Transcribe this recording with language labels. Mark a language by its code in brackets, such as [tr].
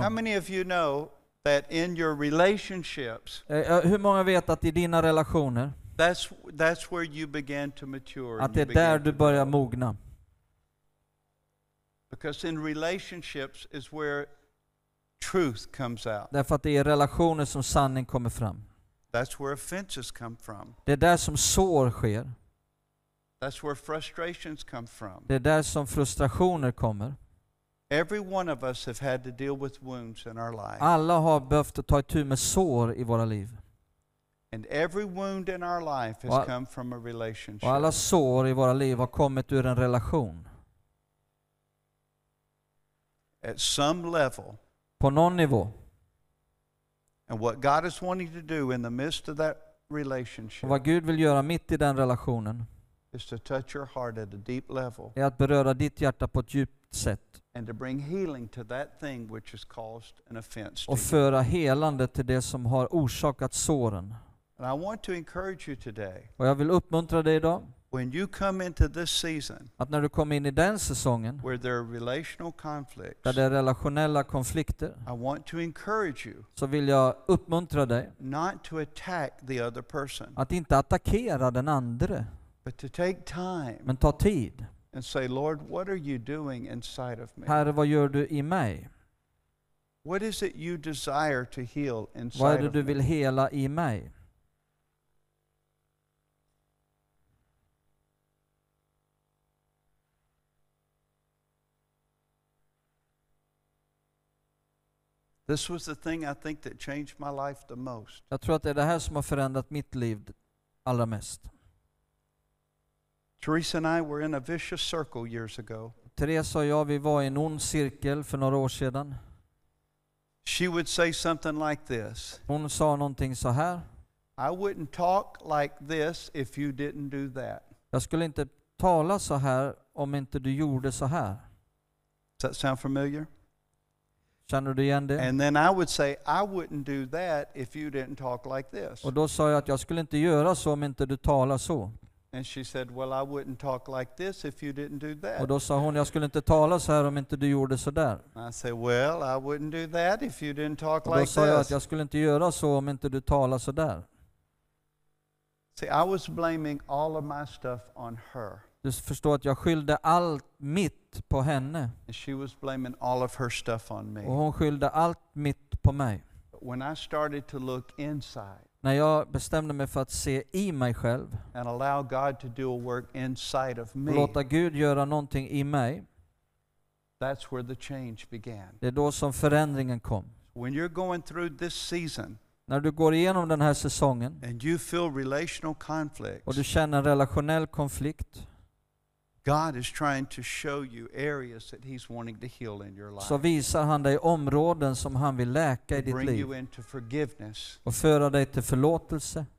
[en] How many of you know that in your relationships? [sv] Hur många vet att i dina relationer? [en] That's where you began to mature. [sv] Att det är där du börjar mogna. [en] Because in relationships is where truth comes out. [sv] Därför att det är relationer som sanningen kommer fram. [en] That's where offenses come from. [sv] Det är där som sår sker. [en] That's where frustrations come from. [sv] Det är där som frustrationer kommer. [en] Every one of us have had to deal with wounds in our life. [sv] Alla har behövt ta itu med sår i våra liv. [en] And every wound in our life has come from a relationship. [sv] Och alla sår i våra liv har kommit ur en relation. [en] At some level. [sv] På någon nivå. [en] And what God is wanting to do in the midst of that relationship. [sv] Och vad Gud vill göra mitt i den relationen. [en] Is to touch your heart at a deep level. [sv] Är att beröra ditt hjärta på ett djupt sätt. [en] And to bring healing to that thing which has caused an offense. [sv] Och föra helande till det som har orsakat såren. [en] And I want to encourage you today. [sv] Och jag vill uppmuntra dig idag. [en] When you come into this season. [sv] Att när du kommer in i den säsongen. [en] Where there are relational conflicts. [sv] Där det är relationella konflikter. [en] I want to encourage you. [sv] Så vill jag uppmuntra dig. [en] Not to attack the other person. [sv] Att inte attackera den andra. [en] But to take time. [sv] Men ta tid. [en] And say, Lord, what are you doing inside of me? [sv] Herre, vad gör du i mig? [en] What is it you desire to heal inside of [sv] me? Vad är det du vill hela i mig? [en] This was the thing I think that changed my life the most. [sv] Jag tror att det är det här som har förändrat mitt liv allra mest. [en] Teresa and I were in a vicious circle years ago. [sv] Teresa och jag, vi var i en ond cirkel för några år sedan. [en] She would say something like this. [sv] Hon sa någonting så här. [en] I wouldn't talk like this if you didn't do that. [sv] Jag skulle inte tala så här om inte du gjorde så här. [en] Does that sound familiar? [sv] Känner du igen det? [en] And then I would say I wouldn't do that if you didn't talk like this. [sv] Och då sa jag att jag skulle inte göra så om inte du talar så. [en] And she said, well, I wouldn't talk like this if you didn't do that. [sv] Och då sa hon, jag skulle inte tala så här om inte du gjorde så där. [en] I said, well, I wouldn't do that if you didn't talk like this. [sv] Och då sa jag att jag skulle inte göra så om inte du talar så där. [en] See, I was blaming all of my stuff on her. [sv] Du förstår att jag skyllde allt mitt på henne. [en] And she was blaming all of her stuff on me. [sv] Och hon skyllde allt mitt på mig. [en] But when I started to look inside. [sv] När jag bestämde mig för att se i mig själv. [en] And allow God to do a work inside of me. [sv] Låta Gud göra någonting i mig. [en] That's where the change began. [sv] Det är då som förändringen kom. [en] When you're going through this season. [sv] När du går igenom den här säsongen. [en] And you feel relational conflicts. [sv] Och du känner relationell konflikt. [en] God is trying to show you areas that he's wanting to heal in your life. [sv] Så visar han dig områden som han vill läka i ditt liv. [en] Bring you into forgiveness. [sv] Och föra dig till förlåtelse.